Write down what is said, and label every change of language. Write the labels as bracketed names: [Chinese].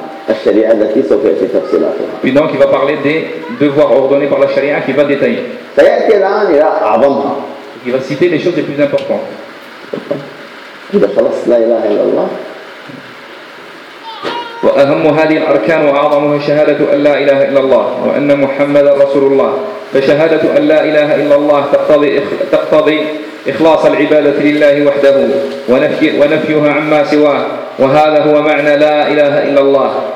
[Arabic] الشريعة التي سوف يأتي تفصيلها. [French] Donc il va parler des devoirs ordonnés par la charia qui va détailler. [Arabic] سيأتي الآن إلى أعظمها. [French] Il va citer les choses les plus importantes. [Arabic] إذا خلص لا إله إلا الله. وأهم هذه الأركان وأعظمها شهادة أن لا إله إلا الله وأن محمد رسول الله. فشهادة أن لا إله إلا الله تقتضي إخلاص العبادة لله وحده ونفيها عما سواه، وهذا هو معنى لا إله إلا الله،